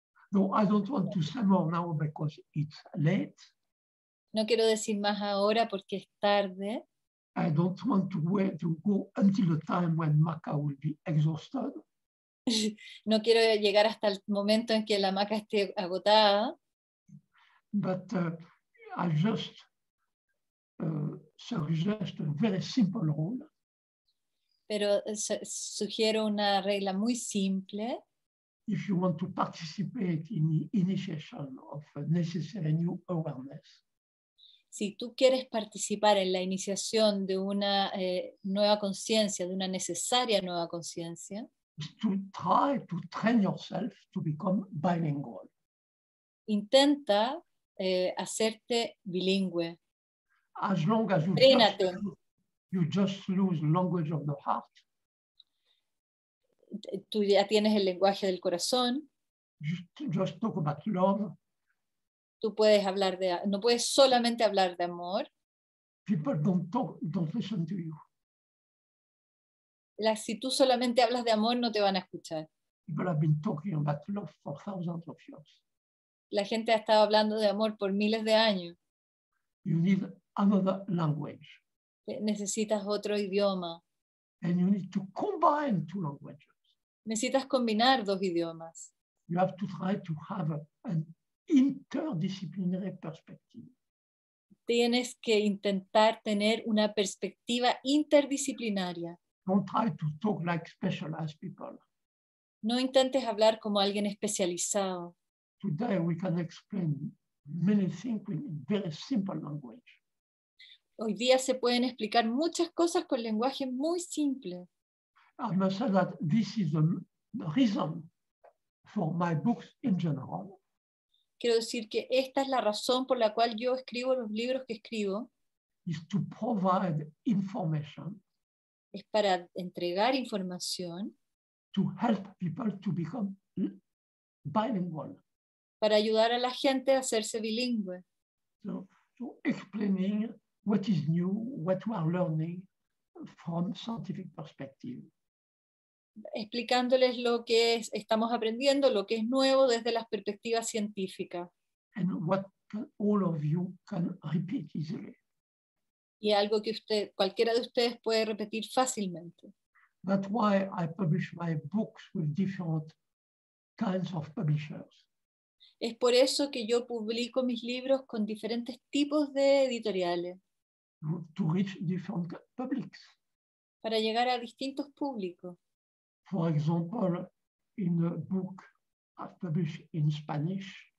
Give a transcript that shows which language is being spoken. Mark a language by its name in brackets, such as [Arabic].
[English] No, I don't want to say more now because it's late. [Spanish] No quiero decir más ahora porque es tarde. [English] I don't want to wait to go until the time when maca will be exhausted. [Spanish] No quiero llegar hasta el momento en que la maca esté agotada. [English] But I just suggest a very simple rule. [Spanish] Pero sugiero una regla muy simple. [English] If you want to participate in the initiation of a necessary new awareness. [Spanish] Si tú quieres participar en la iniciación de una nueva conciencia, de una necesaria nueva conciencia, [English] to try to train yourself to become bilingual. [Spanish] Intenta hacerte bilingüe. [English] As long as you just lose language of the heart. [Spanish] Tú ya tienes el lenguaje del corazón. [English] Just talk about love. [Spanish] Tú puedes hablar de, no puedes solamente hablar de amor. [English] People don't listen to you. [Spanish] Si tú solamente hablas de amor, no te van a escuchar. [English] People have been talking about love for thousands of years. [Spanish] La gente ha estado hablando de amor por miles de años. [English] You need another language. [Spanish] Necesitas otro idioma. [English] And you need to combine two languages. [Spanish] Necesitas combinar dos idiomas. [English] You have to try to have an interdisciplinary perspective. [Spanish] T- tienes que intentar tener una perspectiva interdisciplinaria. [English] Don't try to talk like specialized people. [Spanish] No intentes hablar como alguien especializado. [English] Today we can explain many things in very simple language. [Spanish] Hoy día se pueden explicar muchas cosas con lenguaje muy simple. [English] I must say that this is the reason for my books in general. [Spanish] Quiero decir que esta es la razón por la cual yo escribo los libros que escribo. [English] Is to provide information. [Spanish] Es para entregar información. [English] To help people to become bilingual. [Spanish] Para ayudar a la gente a hacerse bilingüe. [English] So explaining what is new, what we are learning from scientific perspective. [Spanish] Explicándoles lo que es, estamos aprendiendo, lo que es nuevo desde las perspectivas científicas. [English] And what all of you can repeat easily. [Spanish] Y algo que usted, cualquiera de ustedes puede repetir fácilmente. [English] That's why I publish my books with different kinds of publishers. [Spanish] Es por eso que yo publico mis libros con diferentes tipos de editoriales. [English] To reach different publics. [Spanish] Para llegar a distintos públicos. [English] For example, in a book I published in Spanish,